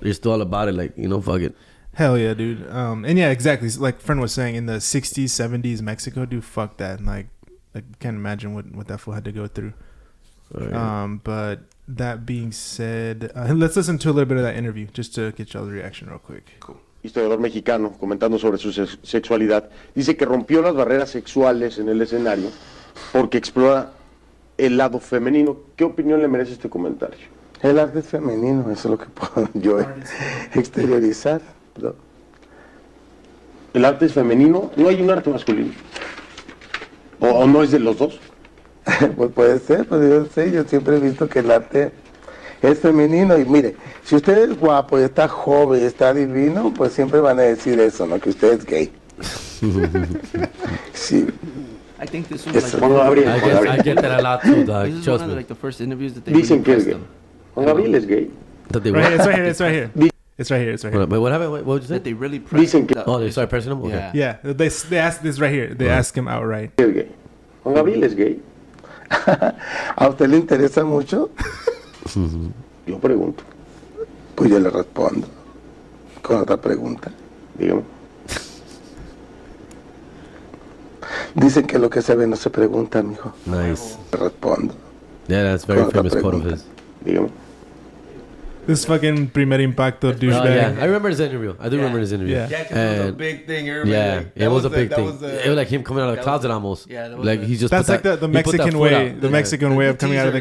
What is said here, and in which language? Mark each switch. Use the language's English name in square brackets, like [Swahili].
[English] They're still all about it, like, you know, fuck it. Hell yeah, dude. And yeah, exactly. Like friend was saying, in the 60s, 70s, Mexico, dude, fuck that. And like I can't imagine what that fool had to go through. Oh, yeah. But that being said, let's listen to a little bit of that interview just to get y'all's reaction real quick. Cool. [Spanish] Historiador mexicano comentando sobre su sexualidad dice que rompió las barreras sexuales en el escenario porque explora el lado femenino. ¿Qué opinión le merece este comentario? El arte es femenino, eso es lo que puedo yo exteriorizar. ¿No? El arte es femenino, no hay un arte masculino. ¿O no es de los dos? Pues puede ser, pues yo sé, yo siempre he visto que el arte es femenino. Y mire, si usted es guapo y está joven y está divino, pues siempre van a decir eso, ¿no? Que usted es gay. Sí. [English] I think this one, like, I get that a lot too, dog. This is one of the, like, the first interviews that they really [Spanish] dicen que es gay. Juan Gabriel es gay. [English] It's right here. Wait, what happened? What did you say? That they really pressed him. Oh, they started pressing him? Okay. Yeah. They ask this right here. They ask him outright. He's gay. [Spanish] Juan Gabriel es gay. ¿A usted le interesa mucho? Yo pregunto. Pues yo le respondo con otra pregunta. Dígame. Dicen que lo que se ve no se pregunta, mijo. [English] Nice. [Spanish] Le respondo. [English] Yeah, that's very famous quote of his. [Spanish] Dígame. [English] This fucking Primer Impacto douchebag. Oh, yeah. I remember his interview. I remember his interview. Yeah, because it was a big thing. Everybody, yeah, like, it was a big thing. It was like him coming out of the closet almost. Yeah, that was like a, he just. That's like the Mexican way. The Mexican way of coming out of the